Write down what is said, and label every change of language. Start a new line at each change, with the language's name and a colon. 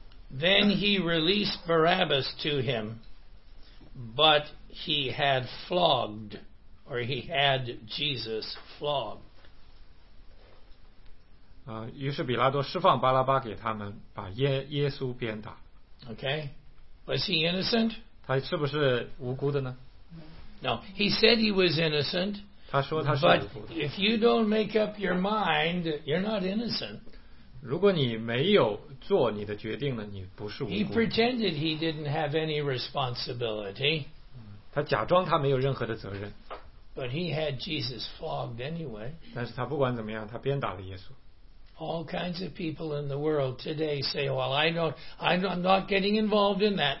English: Then he released Barabbas to him, but he had flogged, or he had Jesus flogged.
Chinese: 于是比拉多释放巴拉巴给他们，把耶稣鞭打。
English: Okay, was he innocent?
Chinese: 他是不是无辜的呢？
English: No, he said he was innocent.
Chinese: 他说他是无辜的。
English: But if you don't make up your mind, you're not innocent.
Chinese: 如果你没有做你的决定了，你不是无辜。
English: He pretended he didn't have any responsibility.
Chinese: 他假装他没有任何的责任。
English: But he had Jesus flogged anyway.
Chinese: 但是他不管怎么样，他鞭打了耶稣。
English: All kinds of people in the world today say, "Well, I'm not getting involved in that.